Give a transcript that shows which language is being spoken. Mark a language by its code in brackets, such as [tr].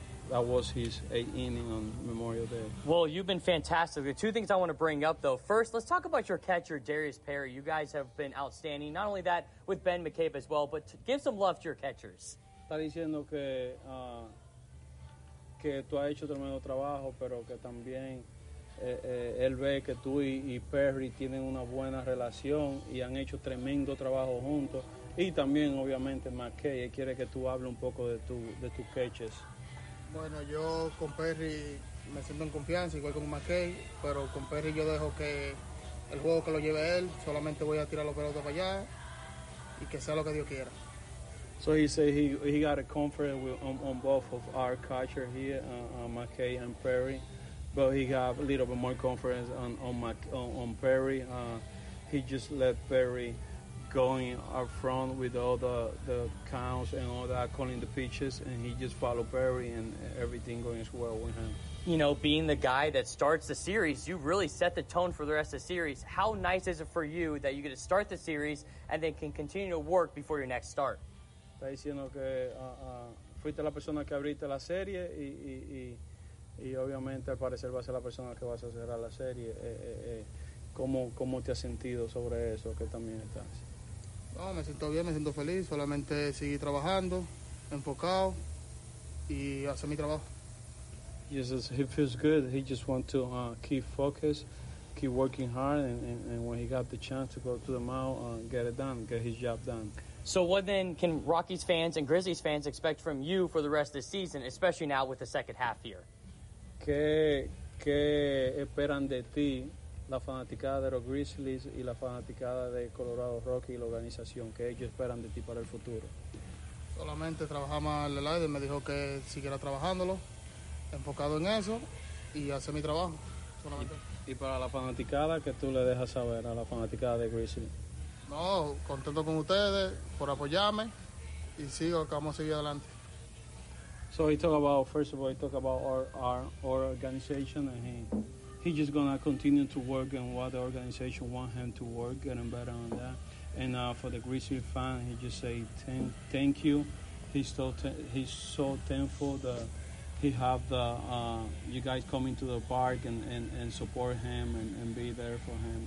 [en] That was his eighth inning on Memorial Day. Well, you've been fantastic. The two things I want to bring up, though. First, let's talk about your catcher, Darius Perry. You guys have been outstanding. Not only that, with Ben McCabe as well, but give some love to your catchers. [es] Está diciendo que tú has hecho tremendo trabajo, pero que también él ve que tú y Perry tienen una buena relación y han hecho tremendo trabajo juntos. Y también, obviamente, McKay. Él quiere que tú hable un poco de tus catches. Bueno, yo con Perry me siento en confianza, igual con McKay, pero con Perry yo dejo que el juego que lo lleve él, solamente voy a tirar los pelotas para allá y que sea lo que Dios quiera. [en] So he said he got a comfort on both of our catcher here, McKay and Perry, but he got a little bit more confidence on Perry. He just let Perry going up front with all the counts and all that, calling the pitches, and he just followed Perry and everything going as well with him. You know, being the guy that starts the series, you really set the tone for the rest of the series. How nice is it for you that you get to start the series and then can continue to work before your next start? [es] Está diciendo que fuiste la persona que abriste la serie y obviamente al parecer vas a ser la persona que vas a cerrar la serie. ¿Cómo te has sentido sobre eso que también estás? No, me siento bien, me siento feliz, solamente seguir trabajando, enfocado y hacer mi trabajo. [en] Jesus, he feels good. He just wants to keep focused, keep working hard, and when he got the chance to go to the mound, get it done, get his job done. So what then can Rockies fans and Grizzlies fans expect from you for the rest of the season, especially now with the second half here? [es] ¿Qué esperan de ti la fanaticada de los Grizzlies y la fanaticada de Colorado Rockies y la organización? ¿Qué ellos esperan de ti para el futuro? Solamente trabajamos al aire, me dijo que siguiera trabajándolo, enfocado en eso y hacer mi trabajo solamente. Y para la fanaticada, ¿qué tú le dejas saber a la fanaticada de Grizzly? No, contento con ustedes por apoyarme y sigo, vamos a seguir adelante. [en] So he talked about, first of all, he talked about our organization, and he's just going to continue to work and what the organization wants him to work, getting better on that. And for the Grizzly fan, he just say thank you. He's so thankful that he have the you guys coming to the park and support him and be there for him.